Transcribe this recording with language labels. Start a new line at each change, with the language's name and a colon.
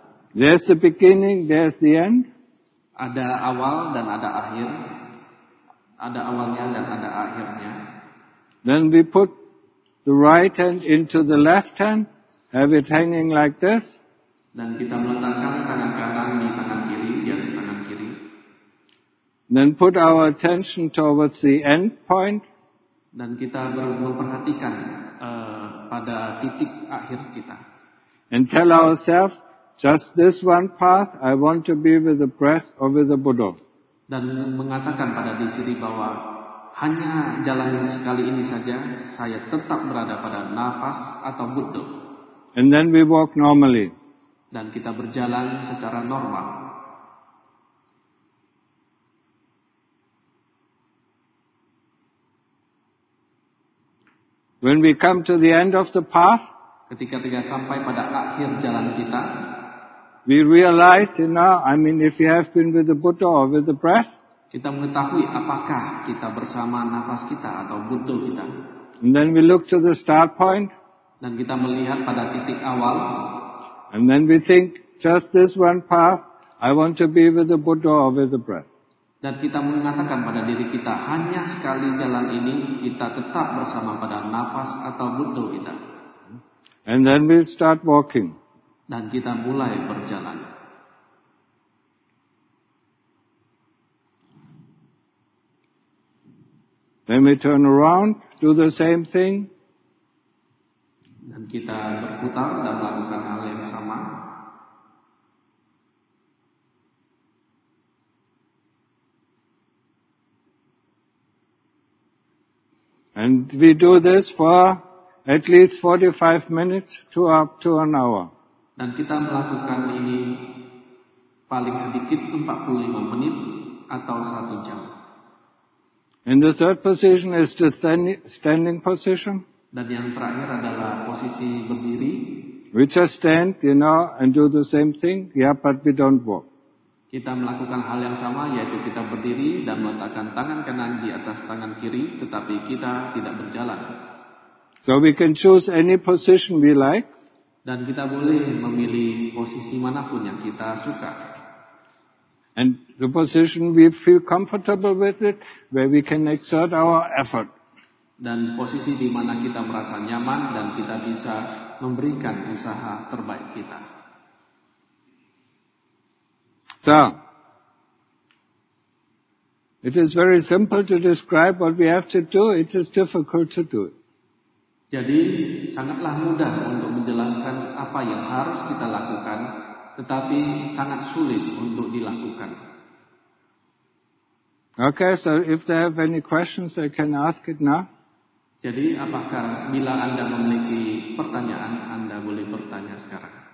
English: There's the beginning, there's the end.
Indonesian: Ada awal dan ada akhir. Ada awalnya dan ada akhirnya.
English: Then we put the right hand into the left hand. Have it hanging like this.
Indonesian: Dan kita meletakkan tangan kanan di tangan kiri, di atas tangan kiri.
English: Then put our attention towards the end point.
Indonesian: Dan kita memperhatikan pada titik akhir kita.
English: And tell ourselves, just this one path, I want to be with the breath or with the Buddha.
Indonesian: Dan mengatakan pada diri sendiri bahwa hanya jalan sekali ini saja, saya tetap berada pada nafas atau Buddha.
English: And then we walk normally.
Indonesian: Dan kita berjalan secara normal.
English: When we come to the end of the path,
Indonesian: ketika kita sampai pada akhir jalan kita,
English: we realize, you know, I mean, if you have been with the Buddha or with the breath,
Indonesian: kita mengetahui apakah kita bersama nafas kita atau Buddha kita.
English: And then we look to the start point.
Indonesian: Dan kita melihat pada titik awal.
English: And then we think, just this one path, I want to be with the Buddha or with the breath.
Indonesian: Dan kita mengatakan pada diri kita, hanya sekali jalan ini, kita tetap bersama pada nafas atau Buddha kita.
English: And then we start walking.
Indonesian: Dan kita mulai berjalan.
English: Then we turn around, do the same thing.
Indonesian: Dan kita berputar dan melakukan hal yang sama.
English: And we do this for at least 45 minutes to up to an hour.
Indonesian: Dan kita melakukan ini paling sedikit 45 menit atau 1 jam.
English: And the third position is the standing position.
Indonesian: Dan yang terakhir adalah posisi berdiri.
English: We just stand, you know, and do the same thing, yeah, but we don't walk.
Indonesian: Kita melakukan hal yang sama, yaitu kita berdiri dan meletakkan tangan kanan di atas tangan kiri, tetapi kita tidak berjalan.
English: So we can choose any position we like.
Indonesian: Dan kita boleh memilih posisi manapun yang kita suka.
English: And the position we feel comfortable with it, where we can exert our effort.
Indonesian: Dan posisi di mana kita merasa nyaman dan kita bisa memberikan usaha terbaik kita.
English: So, it is very simple to describe what we have to do. It is difficult to do it.
Indonesian: Jadi sangatlah mudah untuk menjelaskan apa yang harus kita lakukan, tetapi sangat sulit untuk dilakukan.
English: Okay, so if they have any questions, they can ask it now.
Indonesian: Jadi apakah bila Anda memiliki pertanyaan, Anda boleh bertanya sekarang?